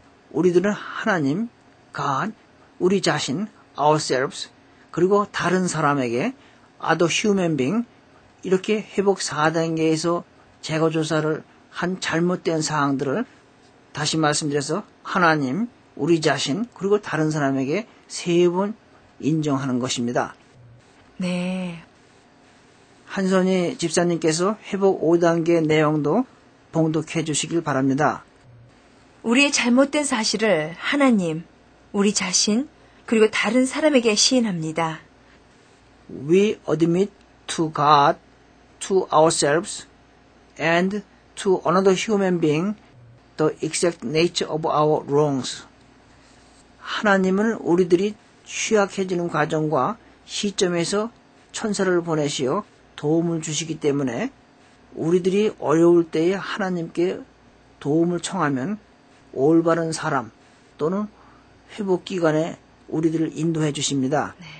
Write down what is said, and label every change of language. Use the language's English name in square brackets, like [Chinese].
[Korean] 우리들은 하나님, God, 우리 자신, [English] ourselves, [Korean] 그리고 다른 사람에게 [English] other human being [Korean] 이렇게 회복 4단계에서 재고조사를 한 잘못된 사항들을 다시 말씀드려서 하나님, 우리 자신, 그리고 다른 사람에게 세 번 인정하는 것입니다. 네. 한선희 집사님께서 회복 5단계 내용도 봉독해 주시길 바랍니다. 우리의 잘못된 사실을 하나님, 우리 자신, 그리고 다른 사람에게 시인합니다. [English] We admit to God, to ourselves, and to another human being, the exact nature of our wrongs. [Korean] 하나님은 우리들이 취약해지는 과정과 시점에서 천사를 보내시어 도움을 주시기 때문에 우리들이 어려울 때에 하나님께 도움을 청하면 올바른 사람 또는 회복기관에 우리들을 인도해 주십니다.